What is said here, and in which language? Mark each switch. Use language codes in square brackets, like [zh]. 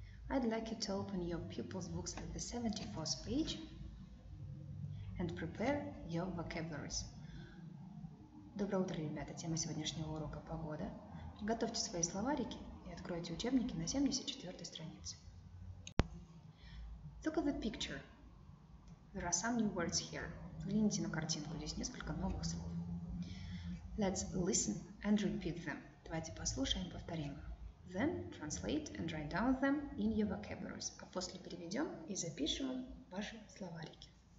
[en] I'd like you to open your pupils' books at the 74th page and prepare your vocabularies. [ru] Доброе утро, ребята! Тема сегодняшнего урока – погода. Готовьте свои словарики и откройте учебники на 74-й странице. [en] Look at the picture. There are some new words here. [ru] Взгляните на картинку, здесь несколько новых слов. [en] Let's listen and repeat them. [ru] Давайте послушаем, повторим. [en] Then translate and write down them in your vocabularies. [ru] А после переведем и запишем ваши словарики.